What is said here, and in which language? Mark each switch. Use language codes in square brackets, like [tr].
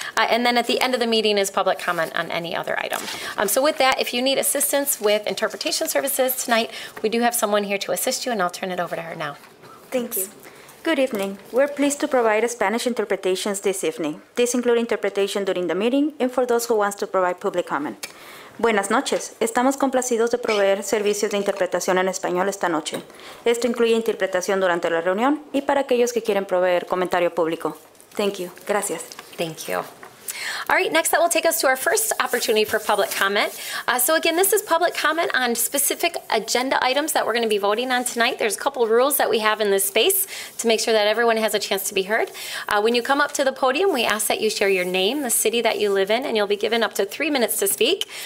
[en] And then at the end of the meeting is public comment on any other item. So with that, if you need assistance with interpretation services tonight, we do have someone here to assist you, and I'll turn it over to her now. Thank you. Good evening. We're pleased to provide Spanish interpretations this evening. This includes interpretation during the meeting and for those who want to provide public comment. [es] Buenas noches. Estamos complacidos de proveer servicios de interpretación en español esta noche. Esto incluye interpretación durante la reunión y para aquellos que quieren proveer comentario público. [en] Thank you. [es] Gracias. [en] Thank you. All right, next that will take us to our first opportunity for public comment. So again, this is public comment on specific agenda items that we're going to be voting on tonight. There's a couple rules that we have in this space to make sure that everyone has a chance to be heard. When you come up to the podium, we ask that you share your name, the city that you live in, and you'll be given up to 3 minutes to speak.